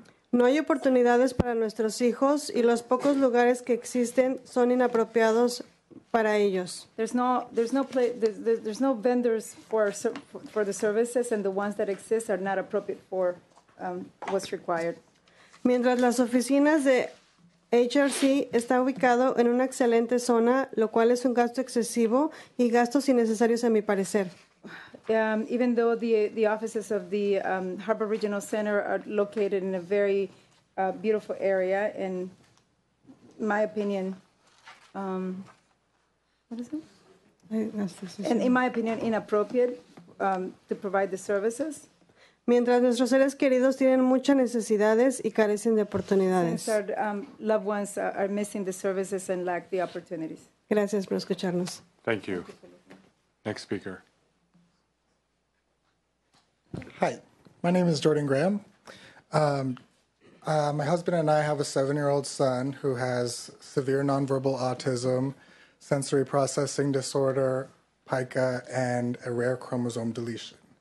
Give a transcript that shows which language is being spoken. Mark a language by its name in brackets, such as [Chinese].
[Spanish] No hay oportunidades para nuestros hijos y los pocos lugares que existen son inapropiados para ellos. [English] There's no vendors for the services and the ones that exist are not appropriate for what's required. [Spanish] Mientras las oficinas de HRC está ubicado en una excelente zona, lo cual es un gasto excesivo y gastos innecesarios a mi parecer. [English] Even though the offices of the Harbor Regional Center are located in a very beautiful area, in my opinion, inappropriate to provide the services. [Spanish] Mientras nuestros seres queridos tienen muchas necesidades y carecen de oportunidades. [English] Since our loved ones are missing the services and lack the opportunities. [Spanish] Gracias por escucharnos. [English] Thank you. Next speaker. Hi, my name is Jordan Graham. My husband and I have a 7-year-old son who has severe nonverbal autism, sensory processing disorder, pica, and a rare chromosome deletion.